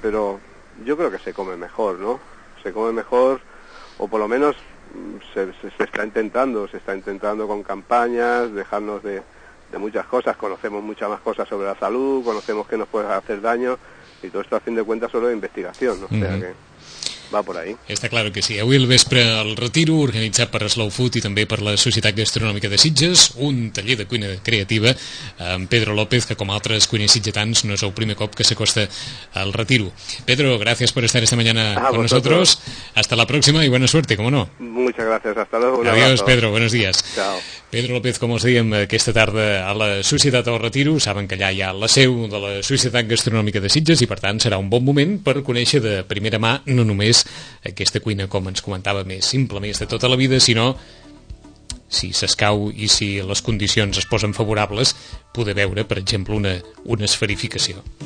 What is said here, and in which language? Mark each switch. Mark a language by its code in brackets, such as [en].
[es] Pero yo creo que se come mejor, ¿no? Se come mejor, o por lo menos se está intentando, con campañas, dejarnos de muchas cosas. Conocemos muchas más cosas sobre la salud, conocemos que nos puede hacer daño. Y todo esto, a fin de cuentas, solo de investigación, ¿no? O sea que va por ahí. [ca] Està clar que sí. Avui al vespre el Retiro, organitzat per Slow Food i també per la Societat Gastronòmica de Sitges, un taller de cuina creativa amb Pedro López, que com altres cuiners sitgetans no és el primer cop que s'acosta al Retiro. [es] Pedro, [ca] gràcies per estar [es] esta mañana con nosotros. Hasta la próxima y buena suerte, como no. Muchas gracias, hasta luego. Adiós, Pedro, buenos días. Chao. [ca] Pedro López, com els dèiem, aquesta tarda a la Societat del Retiro. Saben que allà hi ha la seu de la Societat Gastronòmica de Sitges i, per tant, serà un bon moment per conèixer de primera mà no només aquesta cuina, com ens comentava, més simple, més de tota la vida, sinó, si s'escau i si les condicions es posen favorables, poder veure, per exemple, una esferificació.